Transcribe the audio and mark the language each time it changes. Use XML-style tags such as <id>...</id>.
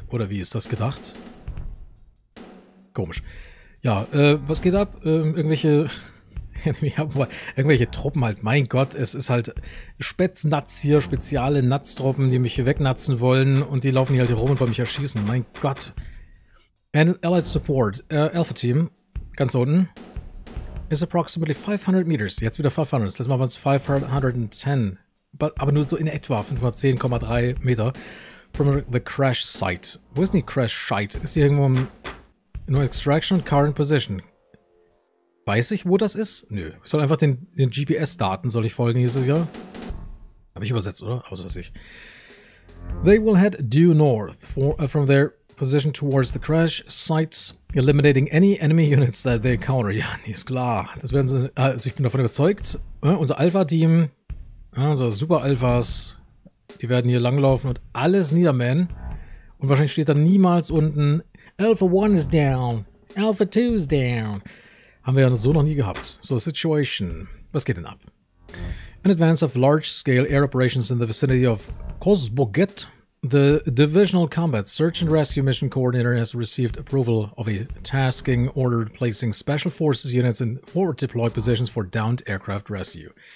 <de>Oder wie ist das gedacht? Komisch. Ja, was geht ab? irgendwelche Truppen halt. Mein Gott, es ist halt Spätznatz hier, spezielle Natztruppen, die mich hier wegnatzen wollen und die laufen hier halt hier rum und wollen mich erschießen. Mein Gott.</de> <en>And Allied Support, Alpha Team,</en> <de>ganz unten,</de> <en>is approximately 500 meters.</en> <de>Jetzt wieder 500. Das letzte Mal waren es 510. Aber nur so in etwa 510,3 Meter</de> <en>from the Crash Site.</en> <de>Wo ist denn die Crash Site? Ist hier irgendwo in Extraction und Current Position? Weiß ich, wo das ist? Nö. Ich soll einfach den GPS-Daten soll ich folgen, hieß es ja. Habe ich übersetzt, oder? Außer was weiß ich.</de> <en>They will head due north from their position towards the crash site, eliminating any enemy units that they encounter.</en> <de>Ja, nee, ist klar. Das werden sie. Also ich bin davon überzeugt. Unser Alpha-Team, also Super Alphas, die werden hier langlaufen und alles niedermähen. Und wahrscheinlich steht da niemals unten</de> <en>Alpha 1 is down. Alpha 2 is down.</en> <de>Haben wir ja so noch nie gehabt.</de> <en>So, Situation.</en> <de>Was geht denn ab?</de> <en>In advance of large-scale air operations in the vicinity of Kozboget, the Divisional Combat Search and Rescue Mission Coordinator has received approval of a tasking order placing special forces units in forward deployed positions for downed aircraft rescue.</en>